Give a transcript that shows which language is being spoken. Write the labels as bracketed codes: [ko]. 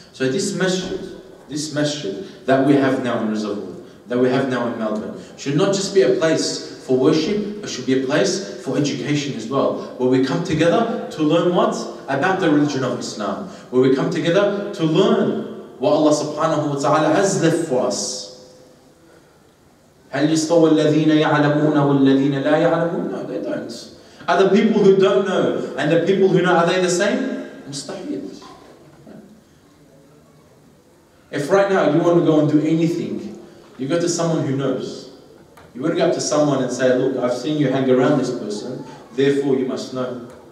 [en] So this masjid that we have now in Reservoir, that we have now in Melbourne, should not just be a place for worship, it should be a place for education as well. Where we come together to learn what? About the religion of Islam. Where we come together to learn what Allah subhanahu wa ta'ala has left for us. [ar] هَلْ يَسْتَوَى الَّذِينَ يَعْلَمُونَ وَالَّذِينَ لَا يَعْلَمُونَ [en] No, they don't. Are the people who don't know and the people who know, are they the same? [ar] مستحيل. [en] If right now you want to go and do anything, you go to someone who knows. You wouldn't go up to someone and say, look, I've seen you hang around this person, therefore you must know.